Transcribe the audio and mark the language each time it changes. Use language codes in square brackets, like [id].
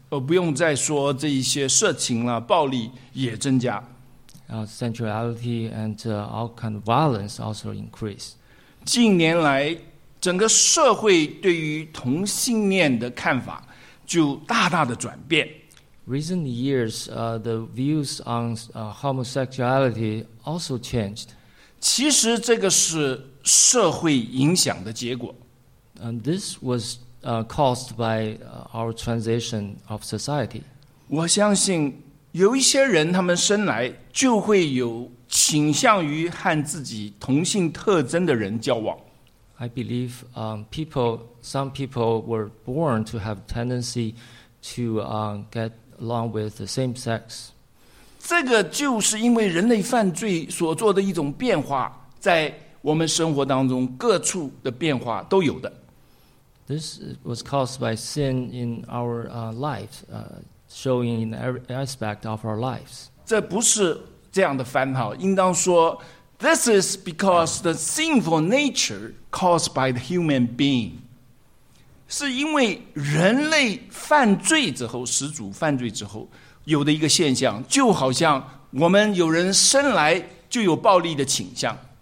[zh] 不用再说这一些色情了，暴力也增加。 [en] Sensuality and all kind of violence also increase. [zh] 近年来，整个社会对于同性恋的看法就大大的转变。 [en] Recent years, the views on homosexuality also changed. [zh] 其实这个是社会影响的结果。 [en] This was caused by our transition of society. [zh] 我相信有一些人他们生来就会有倾向于和自己同性特征的人交往。 [en] I believe some people were born to have tendency to get along with the same sex. [zh] 这个就是因为人类犯罪所做的一种变化，在我们生活当中各处的变化都有的。 [en] This was caused by sin in our lives, showing in every aspect of our lives. [zh] 这不是这样的烦恼，应当说 [en] This is because the sinful nature caused by the human being. [zh] 是因为人类犯罪之后，始祖犯罪之后有的一个现象，就好像我们有人生来就有暴力的倾向。